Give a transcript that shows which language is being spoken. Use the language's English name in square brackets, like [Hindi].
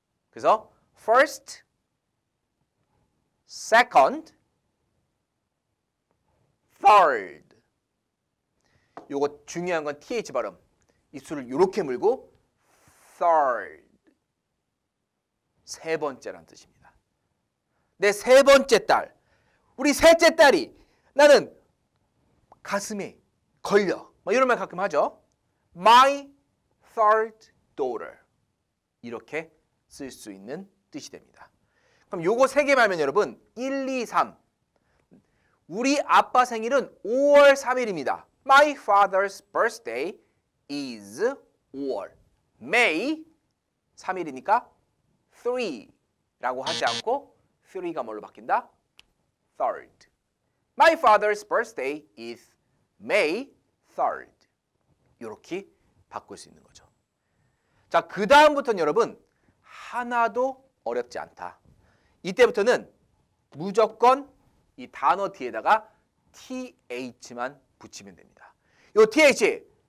[Korean] 그래서 [English] first, second, third. [Korean] 요거 중요한 건 TH 발음. 입술을 요렇게 물고 third. 세 번째란 뜻입니다. 내 세 번째 딸. 우리 셋째 딸이 나는 가슴에 걸려. 뭐 이런 말 가끔 하죠. [English] My third daughter. [Korean] 이렇게 쓸 수 있는 뜻이 됩니다. 그럼 요거 세 개만 하면 여러분 1, 2, 3. 우리 아빠 생일은 5월 3일입니다. [English] My father's birthday is 5월. [Korean] May 3일이니까 3라고 하지 않고 3가 뭘로 바뀐다? [English] Third. My father's birthday is May 3rd. [Korean] 이렇게 바꿀 수 있는 거죠. 자, 그 다음부터는 여러분 하나도 어렵지 않다. 이때부터는 무조건 이 단어 뒤에다가 TH만 붙이면 됩니다. 이 TH